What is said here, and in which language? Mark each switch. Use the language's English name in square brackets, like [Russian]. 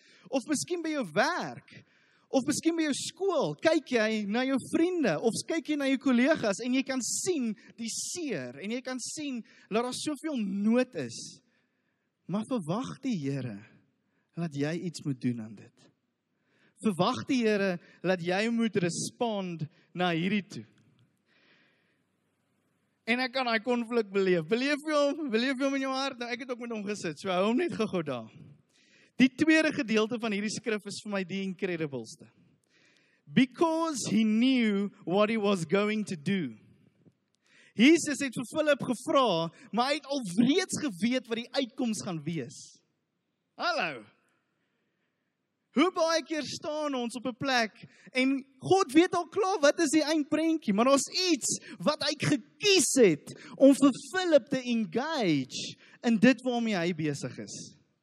[Afrikaans] Of miskien by jou werk, of miskien by jou skool, kyk jy na jou vriende, of kyk jy na jou kollegas, en jy kan sien die seer, en jy kan sien dat daar soveel nood is. Maar verwag die Here dat jy iets moet doen aan dit. Verwag die Here dat jy moet respond na hierdie toe. En ek kan daai konflik beleef. Beleef jy hom in jou hart? Nou, ek het ook met hom gesit, so hou hom net gou-gou daar. Die tweede gedeelte van hierdie skrif is vir my die incredibleste. [English] Because he knew what he was going to do. [Afrikaans] Jesus het vir Philip gevra, maar hy het alreeds geweet wat die uitkoms gaan wees. Hallo! Hoe baie keer staan ons op 'n plek en God weet al klaar wat is die eindprentjie, maar ons iets wat hy gekies het om vir Philip te engage in dit waarmee hy besig is.